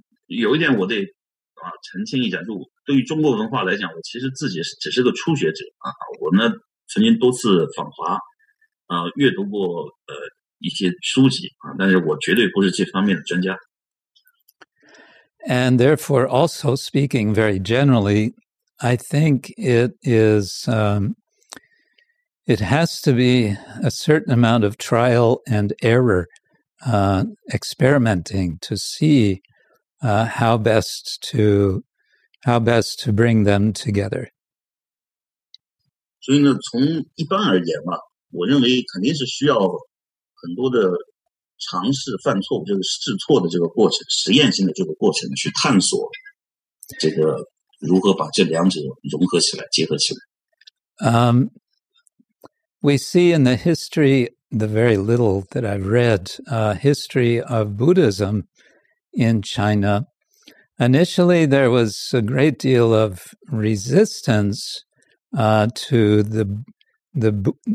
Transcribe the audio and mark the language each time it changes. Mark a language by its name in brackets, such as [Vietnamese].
[Chinese] 有一点我得啊澄清一下，就对于中国文化来讲，我其实自己只是个初学者啊。我呢曾经多次访华啊，阅读过一些书籍啊，但是我绝对不是这方面的专家。 [English] And therefore, also speaking very generally, I think it is, it has to be a certain amount of trial and error, experimenting to see, how best to bring them together. [Chinese] 所以呢，从一般而言嘛，我认为肯定是需要很多的尝试犯错，就是试错的这个过程，实验性的这个过程，去探索这个如何把这两者融合起来，结合起来。 [English] We see in the history, the very little that I've read, history of Buddhism in China. Initially, there was a great deal of resistance to the